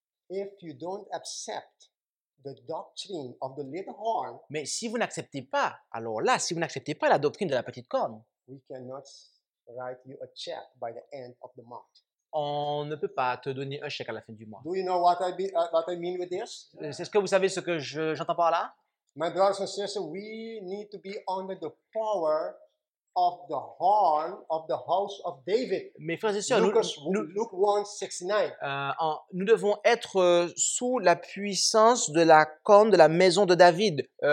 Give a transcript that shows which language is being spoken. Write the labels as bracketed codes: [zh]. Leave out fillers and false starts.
[en] if you don't accept the doctrine of the little horn, [fr] mais si vous n'acceptez pas, alors là, si vous n'acceptez pas la doctrine de la petite corne, [en] we cannot write you a check by the end of the month. [fr] On ne peut pas te donner un chèque à la fin du mois. [en] Do you know what I mean with this? [fr] Est-ce que vous savez ce que j'entends par là? [en] My brothers and sisters, we need to be under the power of the horn of the house of David. [fr] Mes frères et sœurs, [en] Luke 1:69. [fr] Nous devons être sous la puissance de la corne de la maison de David.